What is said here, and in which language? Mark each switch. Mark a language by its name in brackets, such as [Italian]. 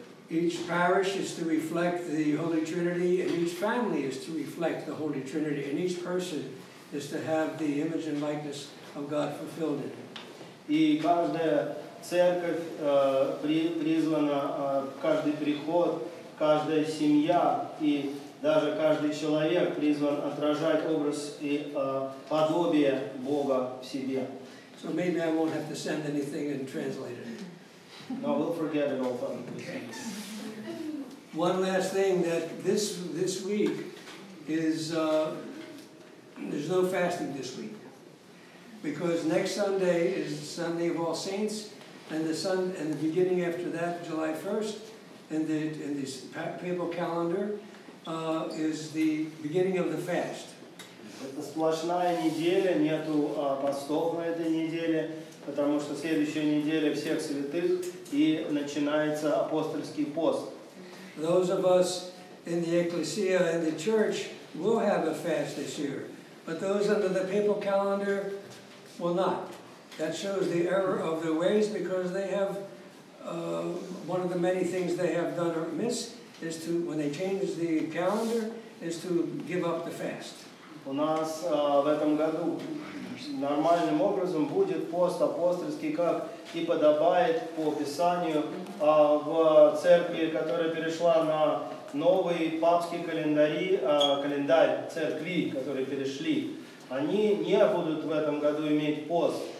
[English] Each parish is to reflect the Holy Trinity, and each family is to reflect the Holy Trinity, and each person is to have the image and likeness of God fulfilled in it. [Russian] И каждая Церковь призвана, каждый приход, каждая семья и даже каждый человек призван отражать образ и подобие Бога в себе. [English] So maybe I won't have to send anything and translate it. No, we'll forget it all. Okay. One last thing, that this week is, there's no fasting this week. Because next Sunday is Sunday of All Saints, and the beginning after that, July 1st, in the papal calendar, is the beginning of the fast. [Russian] Это сплошная неделя, нету постов на этой неделе, потому что следующая неделя всех святых и начинается апостольский пост. [English] Those of us in the ecclesia and the church will have a fast this year, but those under the papal calendar will not. That shows the error of their ways, because they have one of the many things they have done or missed is to, when they change the calendar, is to give up the fast. [Russian] У нас в этом году нормальным образом будет пост апостольский, как и подобает по Писанию, в церкви, которая перешла на новый папский календарь церкви, которые перешли, они не будут в этом году иметь пост.